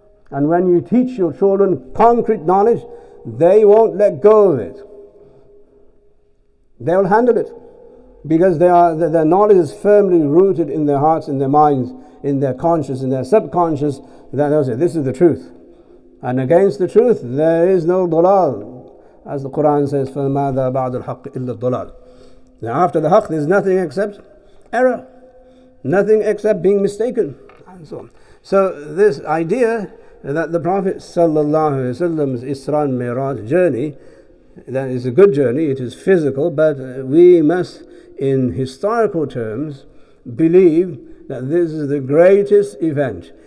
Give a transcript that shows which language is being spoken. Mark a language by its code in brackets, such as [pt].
[en] And when you teach your children concrete knowledge, they won't let go of it. They will handle it because their knowledge is firmly rooted in their hearts, in their minds, in their conscience, in their subconscious, that they'll say, this is the truth. And against the truth, there is no dalal. As the Quran says, [ar] فَمَا ذَا بَعْدُ الْحَقِّ إِلَّا الضَّلَالِ. [en] Now after the haqq, there's nothing except error. Nothing except being mistaken. And so on. So this idea that the Prophet ﷺ's Isra and Mi'raj journey, that is a good journey, it is physical, but we must, in historical terms, believe that this is the greatest event